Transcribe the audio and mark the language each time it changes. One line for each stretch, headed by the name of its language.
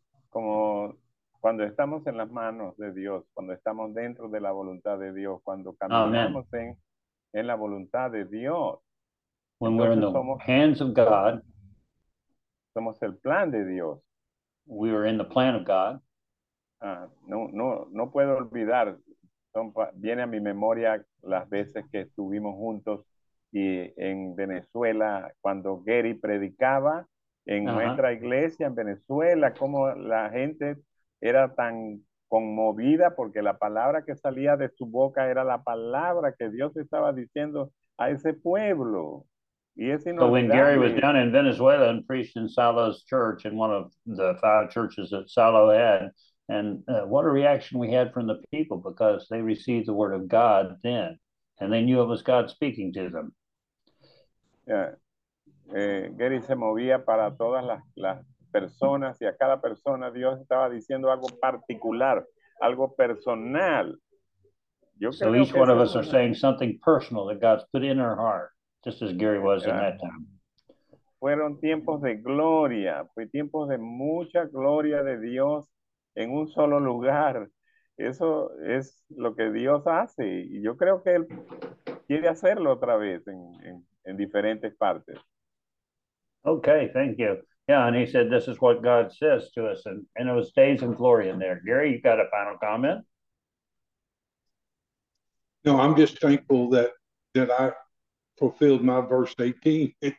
Spanish: Como cuando estamos en las manos de Dios, cuando estamos dentro de la voluntad de Dios, cuando caminamos en la voluntad de Dios,
English: when we're in the hands of God,
Spanish: somos el plan de Dios.
English: We are in the plan of God.
Spanish: No puedo olvidar. Viene a mi memoria las veces que estuvimos juntos y en Venezuela cuando Gary predicaba en nuestra iglesia en Venezuela, cómo la gente era tan conmovida porque la palabra que salía de su boca era la palabra que Dios estaba diciendo a ese pueblo.
English: So when Gary was down in Venezuela and preached in Salo's church, in one of the five churches that Salo had, and what a reaction we had from the people, because they received the word of God then, and they knew it was God speaking to them. Yeah.
Spanish: Gary se movía para todas las personas, y a cada persona Dios estaba diciendo algo particular, algo personal. Yo
English: so
Spanish: creo
English: each
Spanish: que
English: one of us are saying something personal that God's put in our heart. Just as Gary was in that time.
Spanish: Fueron tiempos de gloria. Fue tiempos de mucha gloria de Dios en un solo lugar. Eso es lo que Dios hace. Y yo creo que Él quiere hacerlo otra vez en diferentes partes.
English: Okay, thank you. Yeah, and he said, this is what God says to us. And it was days in glory in there. Gary, you got a final comment? No, I'm just thankful that I fulfilled my verse 18.